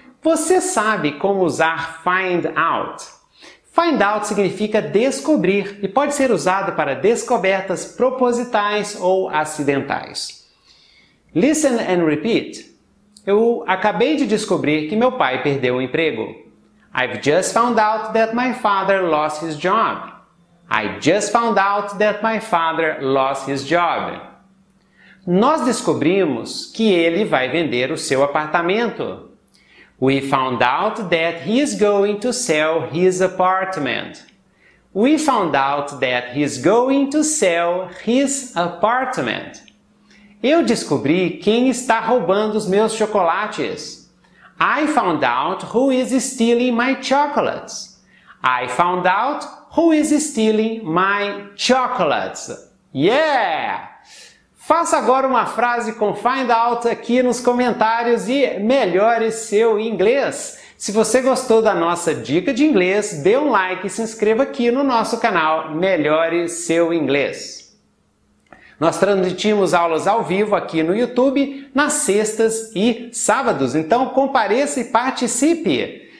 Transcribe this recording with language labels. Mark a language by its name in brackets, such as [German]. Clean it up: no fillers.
[Portuguese] Você sabe como usar Find Out? Find Out significa descobrir e pode ser usado para descobertas propositais ou acidentais. [English] Listen and repeat. [Portuguese] Eu acabei de descobrir que meu pai perdeu o emprego. [English] I've just found out that my father lost his job. I just found out that my father lost his job. [Portuguese] Nós descobrimos que ele vai vender o seu apartamento. [English] We found out that he is going to sell his apartment. We found out that he is going to sell his apartment. [Portuguese] Eu descobri quem está roubando os meus chocolates. [English] I found out who is stealing my chocolates. I found out who is stealing my chocolates. Yeah! [Portuguese] Faça agora uma frase com Find Out aqui nos comentários e melhore seu inglês. Se você gostou da nossa dica de inglês, dê um like e se inscreva aqui no nosso canal Melhore Seu Inglês. Nós transmitimos aulas ao vivo aqui no YouTube nas sextas e sábados, então compareça e participe.